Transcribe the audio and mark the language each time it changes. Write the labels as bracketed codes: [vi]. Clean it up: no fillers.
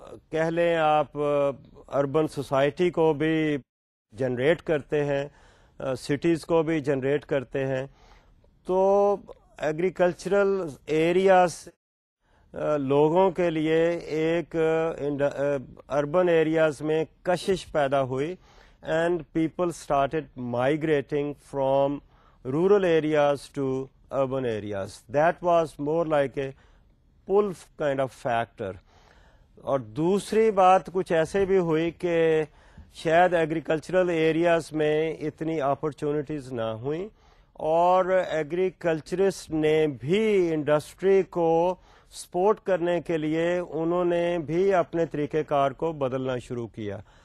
[ur] کہہ لیں آپ اربن سوسائٹی کو بھی جنریٹ کرتے ہیں, سٹیز کو بھی جنریٹ کرتے ہیں, تو ایگریکلچرل ایریاز لوگوں کے لیے ایک اربن ایریاز میں کشش پیدا ہوئی, [en] and people started migrating from rural areas to urban areas. That was more like a pull kind of factor. [ur] اور دوسری بات کچھ ایسے بھی ہوئی کہ شاید agricultural areas میں اتنی opportunities نہ ہوئیں, اور agriculturist نے بھی industry کو support کرنے کے لیے انہوں نے بھی اپنے طریقہ کار کو بدلنا شروع کیا.